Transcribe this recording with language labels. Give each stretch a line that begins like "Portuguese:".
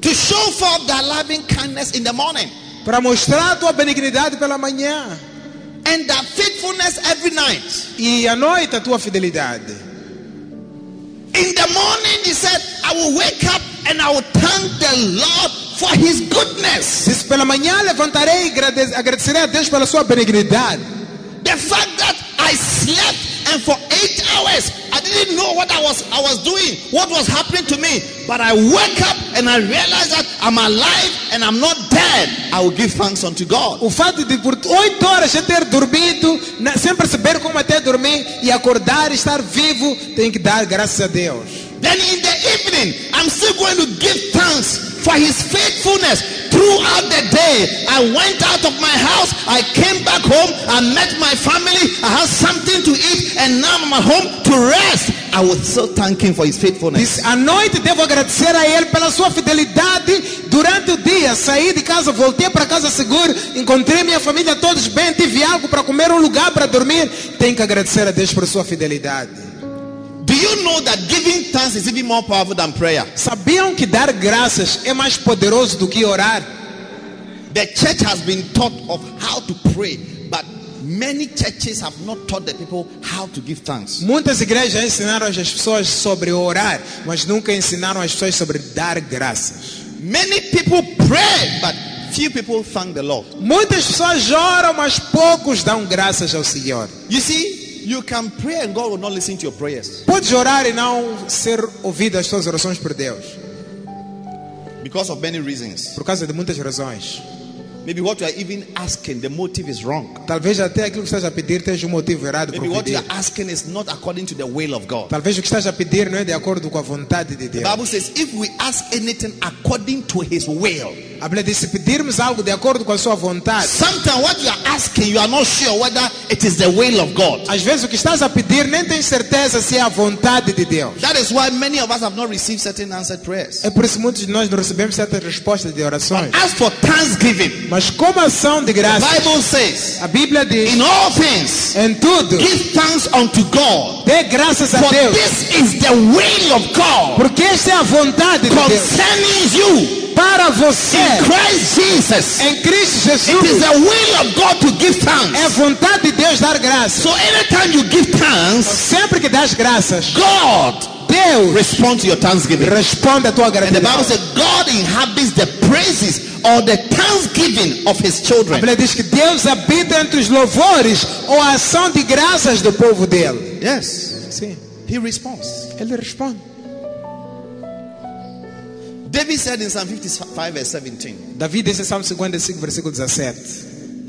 English: to show forth thy loving kindness in the morning.
Portuguese: Para mostrar a tua benignidade pela manhã.
English: And thy faithfulness every night.
Portuguese: E à noite a tua fidelidade.
English: In the morning he said, I will wake up and I will thank the Lord for his goodness.
Portuguese: Diz, pela manhã levantarei e agradecerei a Deus pela sua benignidade.
English: The fact that I slept and for 8 hours I didn't know what I was doing, what was happening to me. But I woke up and I realized that I'm alive and I'm not dead. I will give thanks unto God.
Portuguese: O fato de por 8 horas eu ter dormido, sem perceber como até dormir e acordar e estar vivo, tenho que dar graças a Deus.
English: Then in the evening, I'm still going to give thanks for his faithfulness throughout the day. I went out of my house, I came back home, I met my family, I had something to eat, and now I'm at home to rest. I was so thanking for his faithfulness.
Portuguese: À noite devo agradecer a ele pela sua fidelidade. Durante o dia saí de casa, voltei para casa seguro, encontrei minha família todos bem, tive algo para comer, um lugar para dormir. Tenho que agradecer a Deus por sua fidelidade.
English: Do you know that giving thanks is even more powerful than prayer?
Portuguese: Sabiam que dar graças é mais poderoso do que orar.
English: The church has been taught of how to pray, but many churches have not taught the people how to give thanks.
Portuguese: Muitas igrejas ensinaram as pessoas sobre orar, mas nunca ensinaram as pessoas sobre dar graças.
English: Many people pray, but few people thank the Lord.
Portuguese: Muitas pessoas oram, mas poucos dão graças ao Senhor.
English: You see, you can pray and God will not listen to your prayers.
Portuguese: Podes orar e não ser ouvido as tuas orações por Deus.
English: Because of many reasons.
Portuguese: Por causa de muitas razões.
English: Maybe what you are even asking, the motive is wrong.
Portuguese: Talvez até aquilo que estás a pedir tenha um motivo errado para pedir.
English: Maybe what you are asking is not according to the will of God.
Portuguese: Talvez o que estás a pedir não é de acordo com a vontade de Deus.
English: The Bible says, if we ask anything according to His will.
Portuguese: A Bíblia diz, se pedirmos algo de acordo com a sua vontade.
English: Sometimes what you are asking, you are not sure whether it is the will of God.
Portuguese: Às vezes o que estás a pedir nem tem certeza se é a vontade de Deus.
English: That is why many of us have not received certain answered prayers.
Portuguese: É por isso muitos de nós não recebemos certas respostas de orações.
English: But as for thanksgiving,
Portuguese: mas como ação de graças,
English: the Bible says,
Portuguese: a Bíblia diz,
English: in all things,
Portuguese: em tudo,
English: give thanks unto God.
Portuguese: Dê graças a
English: for
Portuguese: Deus.
English: This is the will of God.
Portuguese: Porque esta é a vontade de
English: concerning
Portuguese: Deus.
English: Concerning you.
Portuguese: Para você.
English: In Christ Jesus,
Portuguese: em Cristo Jesus,
English: it is the will of God to give thanks.
Portuguese: É vontade de Deus dar graças.
English: So anytime you give thanks,
Portuguese: sempre que das graças,
English: God,
Portuguese: Deus,
English: responds to your thanksgiving.
Portuguese: Responde à tua gratidão.
English: And the Bible says, God inhabits the praises or the thanksgiving of His children.
Portuguese: A Bíblia diz que Deus habita entre os louvores ou a ação de graças do povo dele.
English: Yes.
Portuguese: Sim.
English: He responds.
Portuguese: Ele responde.
English: David said in Psalm 55 verse 17.
Portuguese: David disse em Salmo 55 versículo 17.